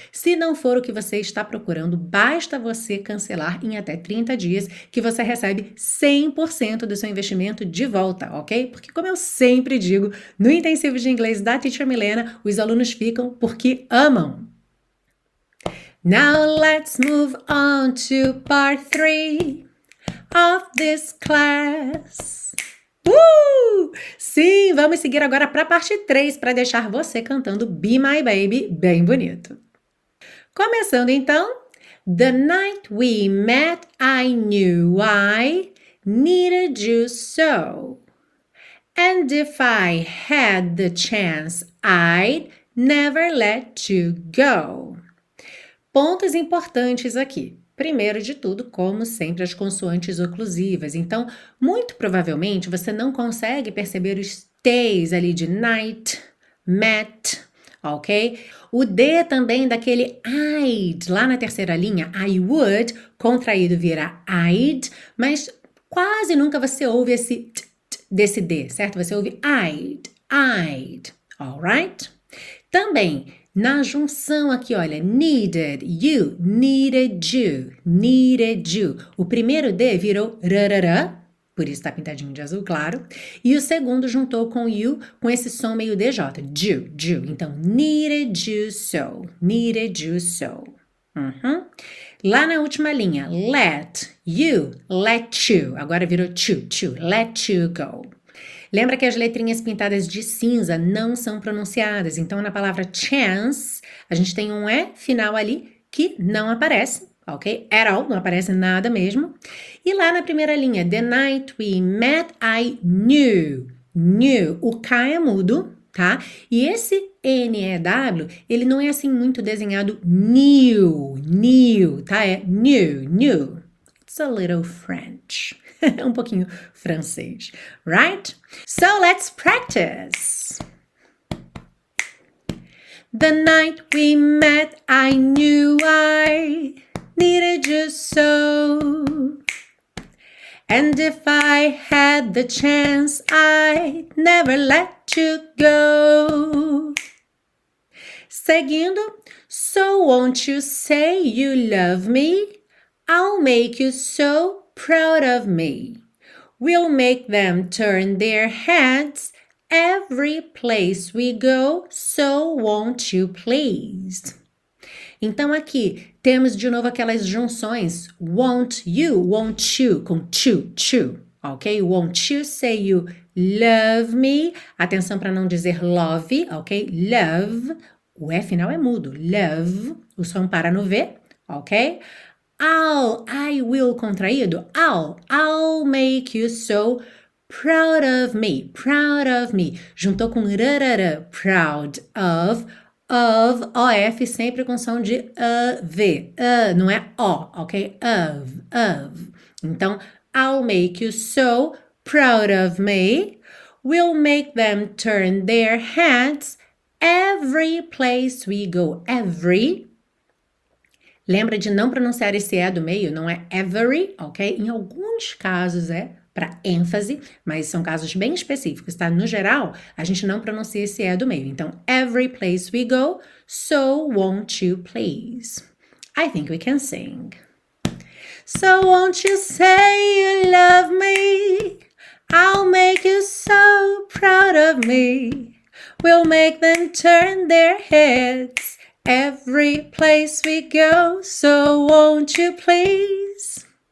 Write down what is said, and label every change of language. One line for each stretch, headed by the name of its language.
Portuguese: Se não for o que você está procurando, basta você cancelar em até 30 dias, que você recebe 100% do seu investimento de volta, ok? Porque, como eu sempre digo, no intensivo de inglês da Teacher Milena, os alunos ficam porque amam.
English: Now let's move on to part 3 of this class.
Portuguese: Sim, vamos seguir agora para a parte 3 para deixar você cantando Be My Baby bem bonito. Começando então,
English: The night we met, I knew I needed you so. And if I had the chance, I'd never let you go.
Portuguese: Pontos importantes aqui. Primeiro de tudo, como sempre, as consoantes oclusivas. Então, muito provavelmente, você não consegue perceber os T's ali de night, met, ok? O D também daquele I'd, lá na terceira linha, I would, contraído vira I'd, mas quase nunca você ouve esse t, desse D, certo? Você ouve
English: I'd, I'd, alright?
Portuguese: Também, na junção aqui, olha,
English: needed you, needed you, needed you.
Portuguese: O primeiro D virou rarara, por isso tá pintadinho de azul, claro. E o segundo juntou com you, com esse som meio DJ, you, you.
English: Então, needed you so, needed you so.
Portuguese: Lá na última linha,
English: let you, let you.
Portuguese: Agora virou to,
English: let you go.
Portuguese: Lembra que as letrinhas pintadas de cinza não são pronunciadas? Então, na palavra chance, a gente tem um E final ali que não aparece, ok?
English: At all,
Portuguese: não aparece nada mesmo. E lá na primeira linha,
English: the night we met, I knew. Knew.
Portuguese: O K é mudo, tá? E esse NEW, ele não é assim muito desenhado new, new, tá? É
English: new, new. It's a little French.
Portuguese: Um pouquinho francês,
English: right? So let's practice. The night we met, I knew I needed you so. And if I had the chance, I'd never let you go.
Portuguese: Seguindo,
English: so won't you say you love me? I'll make you so proud of me. We'll make them turn their heads every place we go, so won't you please?
Portuguese: Então aqui temos de novo aquelas junções won't you com to, ok?
English: Won't you say you love me?
Portuguese: Atenção para não dizer love, ok? Love, o E final é mudo, love, o som para no V, ok?
English: I will contraído. I'll make you so proud of me. Proud of me.
Portuguese: Juntou com rarara.
English: Proud of.
Portuguese: OF sempre com som de V. Não é O, ok? Of. Então,
English: I'll make you so proud of me. We'll make them turn their heads every place we go. Every.
Portuguese: Lembra de não pronunciar esse E do meio, não é every, ok? Em alguns casos é para ênfase, mas são casos bem específicos, tá? No geral, a gente não pronuncia esse E do meio. Então,
English: every place we go, so won't you please? I think we can sing. So won't you say you love me? I'll make you so proud of me. We'll make them turn their heads. Every place we go, so won't you please?